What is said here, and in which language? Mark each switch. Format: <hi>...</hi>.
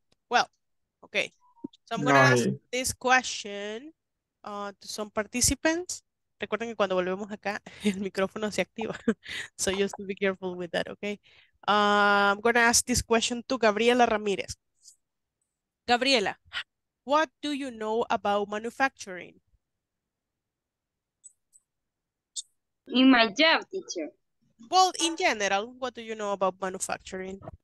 <en>Well, okay, so I'm gonna ask this question to some participants.</en> <es>Recuerden que cuando volvemos acá, el micrófono se activa.</es> <en>So just be careful with that, okay? I'm gonna ask this question to Gabriela Ramirez. Gabriela, what do you know about manufacturing? In my job, teacher. Well, in general, what do you know about manufacturing?</en>